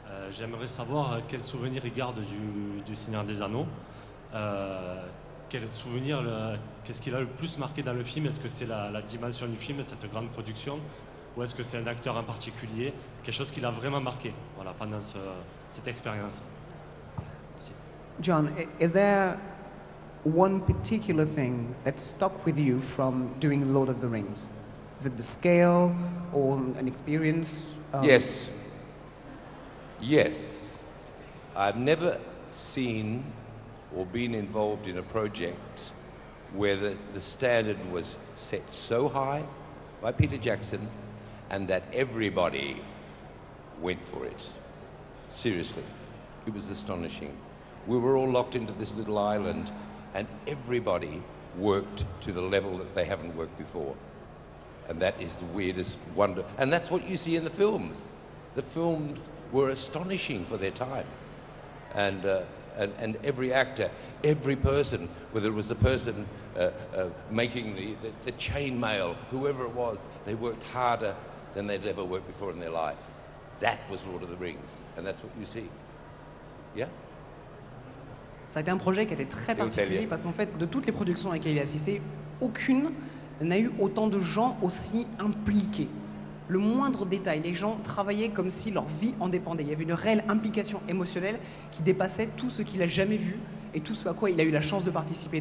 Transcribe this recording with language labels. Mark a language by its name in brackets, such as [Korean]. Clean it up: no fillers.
[French] J'aimerais savoir quel souvenir il garde du Seigneur des Anneaux. Qu'est-ce qu'il a le plus marqué dans le film? Est-ce que c'est la dimension du film, cette grande production? Ou est-ce que c'est un acteur en particulier? Quelque chose qui l'a vraiment marqué, voilà, pendant cette expérience. [English] John, is there one particular thing that stuck with you from doing Lord of the Rings? Is it the scale or an experience? Yes. Yes. I've never seen or been involved in a project where the standard was set so high by Peter Jackson and that everybody went for it. Seriously. It was astonishing. We were all locked into this little island and everybody worked to the level that they haven't worked before. And that is the weirdest wonder. And that's what you see in the films. The films were astonishing for their time. And every actor, every person, whether it was the person making the chainmail, whoever it was, they worked harder than they'd ever worked before in their life. That was Lord of the Rings. And that's what you see. Yeah? [French] Ça a été un projet qui a été très particulier parce qu'en fait, de toutes les productions à laquelle il a assisté, aucune n'a eu autant de gens aussi impliqués. Le moindre détail, les gens travaillaient comme si leur vie en dépendait. Il y avait une réelle implication émotionnelle qui dépassait tout ce qu'il a jamais vu et tout ce à quoi il a eu la chance de participer.